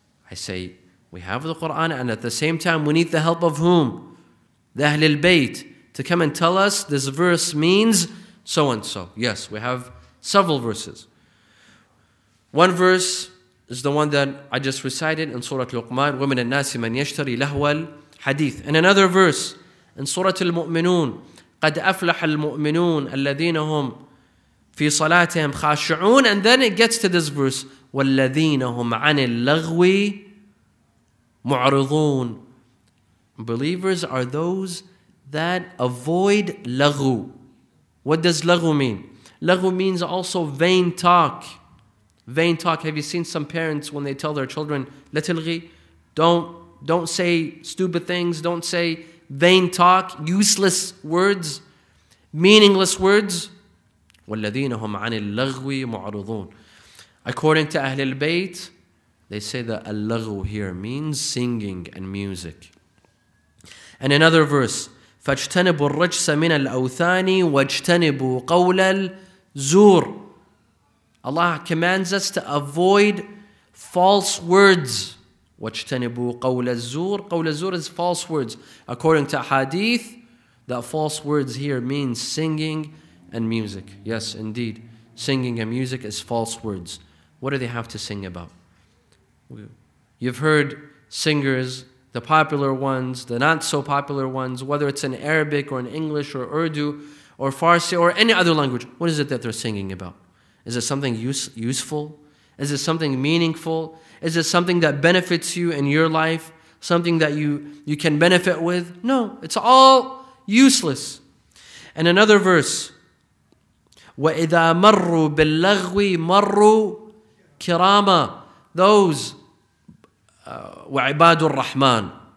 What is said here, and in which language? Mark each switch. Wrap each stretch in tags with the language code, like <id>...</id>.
<en>I say, we have the Quran, and at the same time, we need the help of whom? The Ahlul Bayt, to come and tell us this verse means so and so. Yes, we have several verses. One verse is the one that I just recited in Surah Luqman,</en> <ar>وَمِنَ النَّاسِ مَنْ يَشْتَرِي لَهْوَ</ar> <en>hadith. In another verse, in Surah Al-Mu'minun,</en> <ar>قَدْ أَفْلَحَ الْمُؤْمِنُونَ الَّذِينَ هُمْ فِي صَلَاتِهِمْ خَاشِعُونَ.</ar> <en>And then it gets to this verse,</en> <ar>وَالَّذِينَ هُمْ عَنِ اللَّغْوِ مُعْرِضُونَ.</ar> <en>Believers are those that avoid لغو. What does لغو mean? لغو means also vain talk. Vain talk. Have you seen some parents when they tell their children, لَتِلْغِي, don't say stupid things, don't say vain talk, useless words, meaningless words.</en> <ar>وَالَّذِينَ هُمْ عَنِ اللَّغْوِ مُعْرُضُونَ.</ar> <en>According to AhlulBayt, they say that al-lagh here means singing and music. And another verse,</en> <ar>فَاجْتَنِبُوا الرَّجْسَ مِنَ الْأَوْثَانِ وَاجْتَنِبُوا قَوْلَ الزُّورِ.</ar> <en>Allah commands us to avoid false words.</en> <ar>وَاجْتَنِبُوا قَوْلَ الزُّورِ. قَوْلَ الزُّورِ</ar> <en>is false words. According to hadith, that false words here means singing and music. Yes, indeed. Singing and music is false words. What do they have to sing about? You've heard singers, the popular ones, the not so popular ones, whether it's in Arabic or in English or Urdu or Farsi or any other language, what is it that they're singing about? Is it something useful? Is it something meaningful? Is it something that benefits you in your life? Something that you can benefit with? No, it's all useless. And another verse,</en> <ar>وَإِذَا مَرُّوا بِاللَّغْوِ مَرُّوا كِرَامًا.</ar> <en>Those,</en> <ar>وَعِبَادُ الرَّحْمَانِ.</ar>